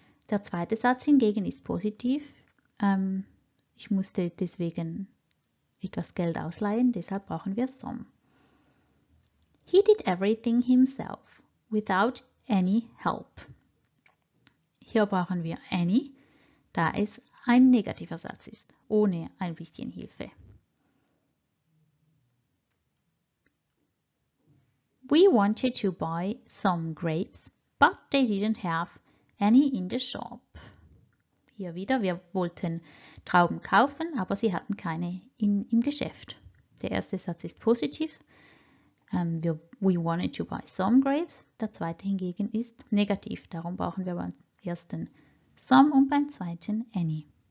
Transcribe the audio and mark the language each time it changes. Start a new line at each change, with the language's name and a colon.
German: Der zweite Satz hingegen ist positiv, ich musste deswegen etwas Geld ausleihen, deshalb brauchen wir some.
English: He did everything himself, without any help.
German: Hier brauchen wir any, da es ein negativer Satz ist, ohne ein bisschen Hilfe.
English: We wanted to buy some grapes, but they didn't have any in the shop.
German: Hier wieder, wir wollten Trauben kaufen, aber sie hatten keine im Geschäft. Der erste Satz ist positiv.
English: We wanted to buy some grapes.
German: Der zweite hingegen ist negativ, darum brauchen wir uns ersten some und beim zweiten any.